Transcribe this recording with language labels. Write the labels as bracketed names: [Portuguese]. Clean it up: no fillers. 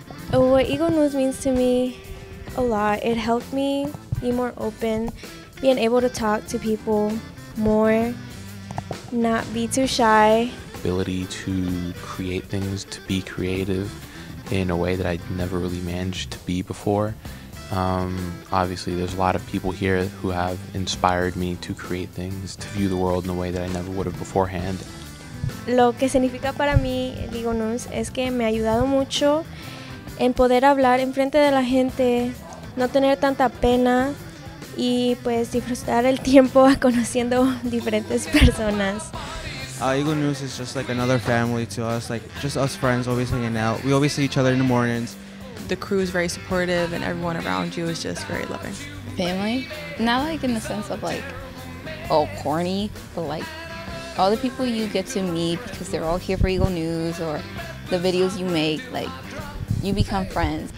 [English] What Eagle News means to me a lot. It helped me be more open, being able to talk to people more, not be too shy. Ability to create things, to be creative in a way that I'd never really managed to be before. Obviously there's a lot of people here who have inspired me to create things, to view the world in a way that I never would have beforehand. [Spanish] Lo que significa para mí, digo nos, es que me ha ayudado mucho en poder hablar en frente de la gente, no tener tanta pena y pues disfrutar el tiempo conociendo diferentes personas. [English] Eagle News is just like another family to us, like just us friends always hanging out. We always see each other in the mornings. The crew is very supportive and everyone around you is just very loving. Family? Not like in the sense of like all corny, but like all the people you get to meet because they're all here for Eagle News or the videos you make, like you become friends.